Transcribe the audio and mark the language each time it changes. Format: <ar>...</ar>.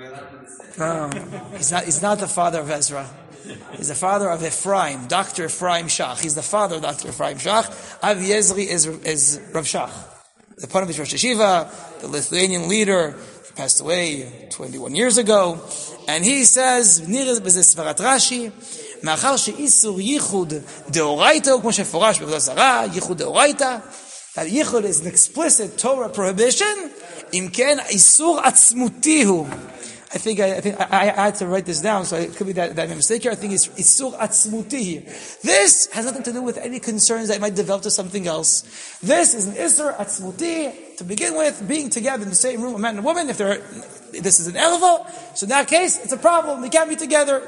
<en>Ezra. He's not the father of Ezra. He's the father of Ephraim, Dr. Ephraim Shach. He's the father of Dr. Ephraim Shach. Avi Ezri is Rav Shach. The Panim is Rosh Yeshiva, the Lithuanian leader, passed away 21 years ago. And he says,</en> <he>Niris b'zesvarat Rashi, מאחר שאיסור ייחוד דאורייתא, כמו שפורש בעבודה זרה, ייחוד דאורייתא,</he> <en>that ייחוד is an explicit Torah prohibition,</en> <he>אם כן, איסור עצמותי הוא.</he> <en>I think I had to write this down, so it could be that I'm mistaken. I think it's איסור עצמותי. This has nothing to do with any concerns that it might develop to something else. This is an איסור עצמותי, to begin with, being together in the same room, a man and a woman, if they're... This is an erva, so in that case, it's a problem. We can't be together.</en>